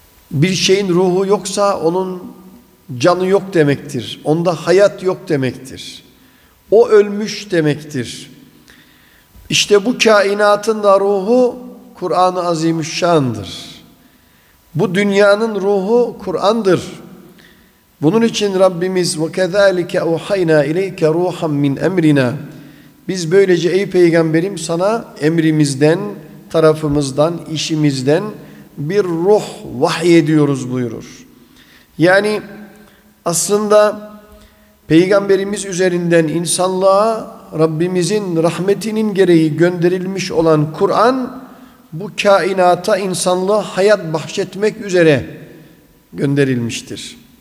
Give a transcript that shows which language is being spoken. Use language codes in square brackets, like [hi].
[tr] Bir şeyin ruhu yoksa onun canı yok demektir. Onda hayat yok demektir. O ölmüş demektir. İşte bu kainatın da ruhu Kur'an-ı Azimüşşan'dır. Bu dünyanın ruhu Kur'an'dır. Bunun için Rabbimiz [ar] وَكَذَٰلِكَ اَوْحَيْنَا اِلَيْكَ رُوحًا مِنْ اَمْرِنَا. [tr] Biz böylece ey peygamberim sana emrimizden, tarafımızdan, işimizden bir ruh vahyediyoruz buyurur. Yani aslında peygamberimiz üzerinden insanlığa Rabbimizin rahmetinin gereği gönderilmiş olan Kur'an bu kainata insanlığa hayat bahşetmek üzere gönderilmiştir.